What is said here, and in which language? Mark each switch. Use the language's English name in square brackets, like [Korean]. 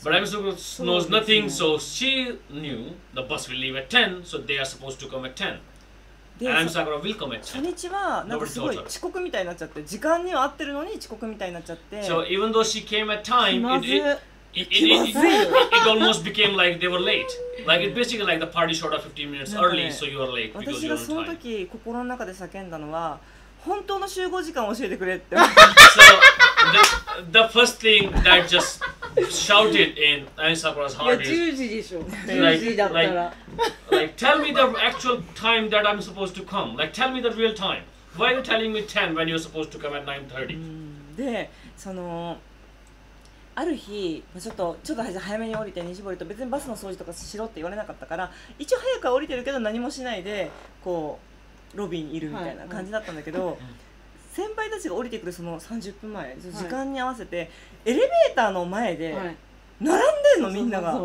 [English] But Ami Sakura knows nothing, so she knew the bus will leave at 10, so they are supposed to come at 10. Ami Sakura will come at 10. [Japanese] 初日はなんかすごい遅刻みたいになっちゃって、時間には合ってるのに遅刻みたいになっちゃって。 [English] So even though she came at time, it almost became like they were late. Like it basically like the party showed up 15 minutes early, so you are late because you're on time. [Japanese] 私がその時心の中で叫んだのは、本当の集合時間を教えてくれって。 [English] So the first thing that just shouted in Ami Sakura's heart is, [Japanese] 10時でしょ。10時だったら。 [English] Like tell me the actual time that I'm supposed to come. Like tell me the real time. Why are you telling me 10 when you're supposed to come at 9:30? [Japanese] で、その。ある日、ちょっと早めに降りて、西堀と別にバスの掃除とかしろって言われなかったから、一応早くは降りてるけど何もしないで、こう、ロビーにいるみたいな感じだったんだけど、はいはい、先輩たちが降りてくるその30分前、時間に合わせて、はい、エレベーターの前で、並んでんの、はい、みんなが。